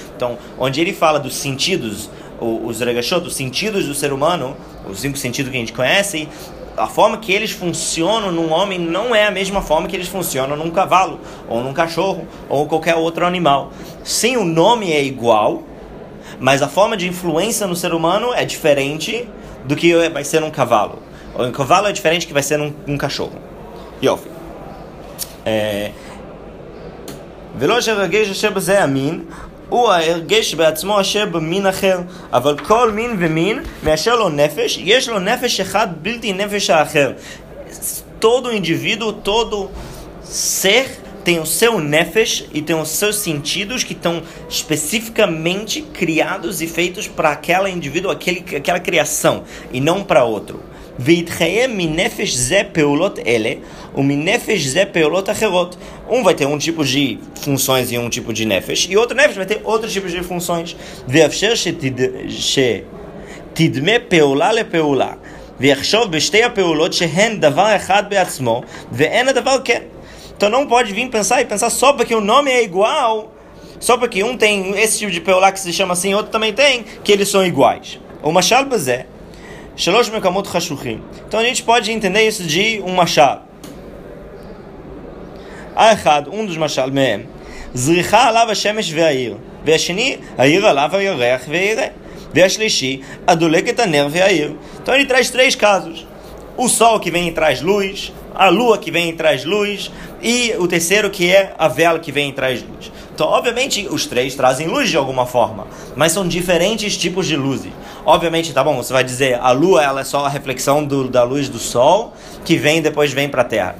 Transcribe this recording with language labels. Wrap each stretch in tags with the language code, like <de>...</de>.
<pt>Então, onde ele fala dos sentidos, os regashot, dos sentidos do ser humano, os 5 sentidos que a gente conhece, a forma que eles funcionam num homem não é a mesma forma que eles funcionam num cavalo, ou num cachorro, ou qualquer outro animal. Sim, o nome é igual, mas a forma de influência no ser humano é diferente do que vai ser num cavalo. O cavalo é diferente que vai ser um cachorro.</pt> <he>Yofi. ולא שרגש אשר בזה המין, הוא הרגש בעצמו אשר במין אחר. אבל כל מין ומין, מאשר לו נפש, יש לו נפש אחד בלתי נפש האחר.</he> <pt>Todo indivíduo, todo ser, tem o seu nefesh e tem os seus sentidos que estão especificamente criados e feitos para aquele indivíduo, aquela criação, e não para outro.</pt> <he>ויתחיה מנפש זה פעולות אלה ומנפש זה פעולות אחרות.</he> <pt>Um vai ter um tipo de funções e um tipo de nefesh, e outro nefesh vai ter outro tipo de funções.</pt> <he>ויאפשר שתדמה פעולה לפעולה ויחשוב בשתי הפעולות שהן דבר אחד בעצמו ואין הדבר כן.</he> <pt>Então não pode vir pensar e pensar só porque o nome é igual, só porque um tem esse tipo de peulá que se chama assim, outro também tem, que eles são iguais. O machal bezé</pt> <he>שלוש מקומות חשוכים.</he> <pt>Então a gente pode entender isso de um machal.</pt> <he>האחד,</he> <pt>um dos machal</pt> <he>מהם, זריחה עליו השמש והעיר, והשני, העיר עליו הירח והירה, והשלישי, הדולקת הנר והעיר.</he> <pt>Então ele traz 3 casos. O sol que vem e traz luz, a lua que vem e traz luz, E o terceiro, que é a vela que vem e traz luz. Então, obviamente, os três trazem luz de alguma forma, mas são diferentes tipos de luzes. Obviamente, tá bom, você vai dizer, a lua ela é só a reflexão da luz do sol, que vem e depois vem para a Terra.</pt>